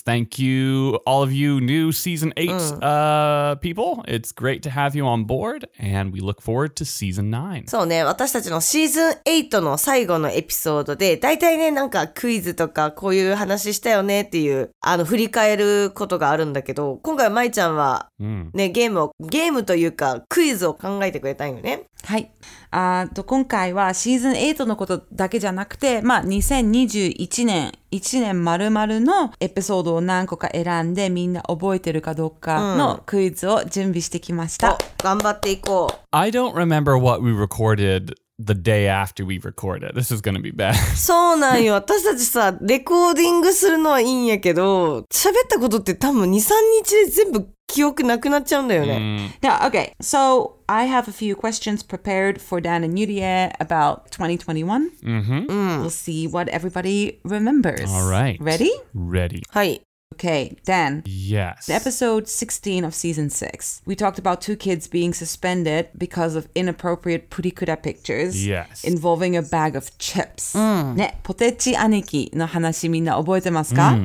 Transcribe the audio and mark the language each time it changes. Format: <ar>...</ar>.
<en>Thank you, all of you new season 8 people. It's great to have you on board, and we look forward to season 9.</en> <ja>そうね、私たちのシーズン8の最後のエピソードで、大体ね、なんかクイズとかこういう話したよねっていう、振り返ることがあるんだけど、今回はまいちゃんは、ね、ゲームというか、クイズを考えてくれたんよね。はい。今回はシーズン8のことだけじゃなくて、まあ、2021年、1年丸々のエピソードを何個か選んで、みんな覚えてるかどうかのクイズを準備してきました。うん、頑張っていこう。</ja> <en>I don't remember what we recorded the day after we recorded. This is gonna be bad.</en> <ja>そうなんよ。私たちさ、レコーディングするのはいいんやけど、喋ったことって多分2、3日で全部記憶なくなっちゃうんだよね。</ja> <en>Yeah, okay. So, I have a few questions prepared for Dan and Yurie about 2021. We'll see what everybody remembers. All right. Ready? Ready. はい。 Okay, Dan. Yes. Episode 16 of season 6. We talked about two kids being suspended because of inappropriate purikura pictures. Yes. Involving a bag of chips.</en> <ja>ね、ポテチ兄貴の話みんな覚えてますか？</ja>